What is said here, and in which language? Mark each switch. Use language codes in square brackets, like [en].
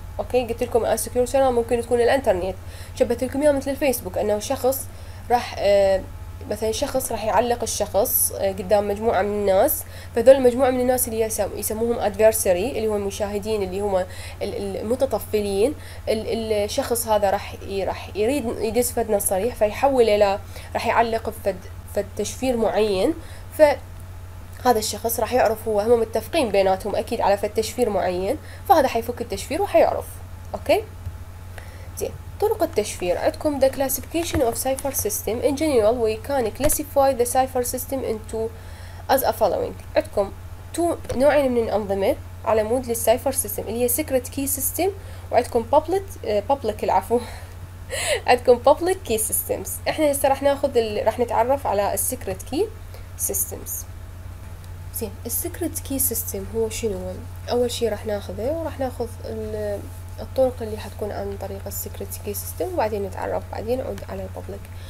[ar] اوكي، قلت لكم انسكيورد شانل ممكن تكون الانترنت، شبهت لكم اياه مثل الفيسبوك، انه شخص راح مثلا شخص راح يعلق الشخص قدام مجموعة من الناس، فذول المجموعة من الناس اللي يسموهم adversary اللي هم المشاهدين اللي هم المتطفلين، الشخص هذا راح يريد يدز فد نص صريح، فيحول إلى راح يعلق فد تشفير معين، فهذا الشخص راح يعرف، هو هم متفقين بيناتهم أكيد على فد تشفير معين، فهذا حيفك التشفير وحيعرف. أوكي، زين، طرق التشفير عندكم [en] the classification of cipher system in general we can classify the cipher system into as a following. [ar] عندكم نوعين من الأنظمة على مود للcipher system اللي هي secret key system وعندكم public العفو عندكم public key systems. احنا هسه راح نتعرف على secret key systems. زين السكرت كي سيستم هو شنو؟ اول شيء راح ناخذه وراح ناخذ الطرق اللي حتكون عن طريق السكرت كي سيستم، وبعدين نتعرف بعدين عود على البابليك.